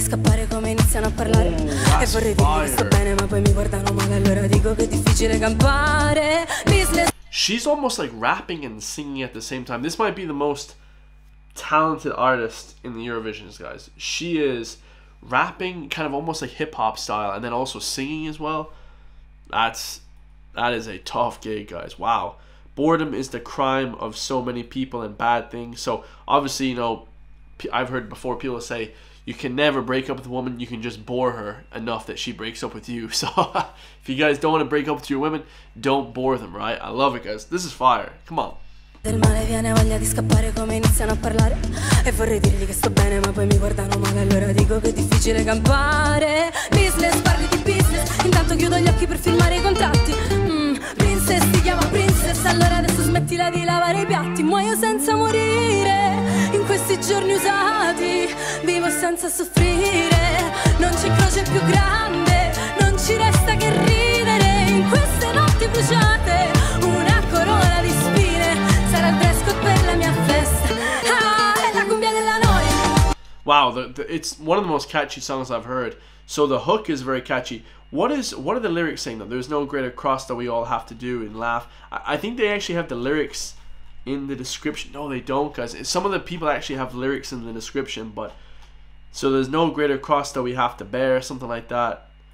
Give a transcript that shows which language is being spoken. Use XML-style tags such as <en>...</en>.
<it>E vorrei dire sto bene, ma poi mi guardano male, allora dico che è difficile campare.</it> <en>She's almost like rapping and singing at the same time. This might be the most talented artist in the Eurovision, guys. She is rapping kind of almost like hip hop style and then also singing as well. That is a tough gig, guys. Wow. Boredom is the crime of so many people and bad things. So obviously, you know, I've heard before people say you can never break up with a woman, you can just bore her enough that she breaks up with you. So if you guys don't want to break up with your women, don't bore them, right? I love it, guys. This is fire. Come on.</en> <it>Del male viene voglia di scappare come iniziano a parlare. E vorrei dirgli che sto bene, ma poi mi guardano male, allora dico che è difficile campare. Business, parli di business. Intanto chiudo gli occhi per firmare i contratti. Princess, ti chiama princess. Allora adesso smettila di lavare i piatti. Muoio senza morire. In questi giorni usati, vivo senza soffrire. Non c'è croce più grande, non ci resta che ridere. In queste notti bruciate, una corona di spine. Sarà il dress code per la mia festa. Ah, è la cumbia della noia.</it> <en>Wow, it's one of the most catchy songs I've heard. So the hook is very catchy. What are the lyrics saying, though? There's no greater cross that we all have to do and laugh. I think they actually have the lyrics in the description. No, they don't, guys. Some of the people actually have lyrics in the description, but so there's no greater cross that we have to bear, something like that.</en>